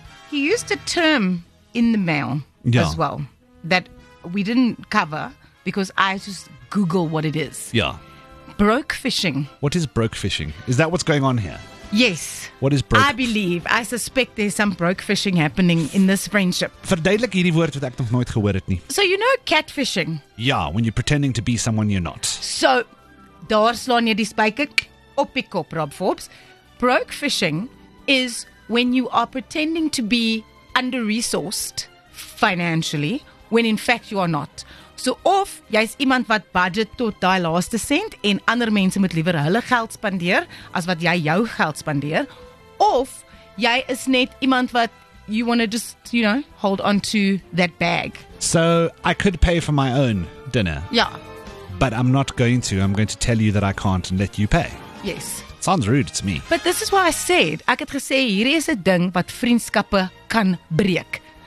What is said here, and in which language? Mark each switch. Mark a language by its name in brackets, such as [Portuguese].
[English] He used a term in the mail as well that we didn't cover because I just Google what it is. Yeah. Broke fishing. What is broke fishing? Is that what's going on here? Yes. What is broke? I suspect there's some broke fishing happening in this friendship. [Afrikaans] Verduidelik hierdie woord wat ek nog nooit gehoor het nie. [English] So you know catfishing? Yeah, when you're pretending to be someone you're not. [Afrikaans] So, daar slaan jy die spyker op die kop, Rob Forbes. [English] Broke fishing is when you are pretending to be under-resourced financially, when in fact you are not. [Afrikaans] So of jy is iemand wat budget tot die laaste cent en ander mense moet liever hulle geld spandeer as wat jy jou geld spandeer, of jy is net iemand wat [English] you want to just, you know, hold on to that bag. So I could pay for my own dinner. Yeah. But I'm not going to. I'm going to tell you that I can't and let you pay. Yes. Sounds rude to me. But this is why I said, [Afrikaans] ek het gesê, hier is 'n ding wat vriendskappe kan breek.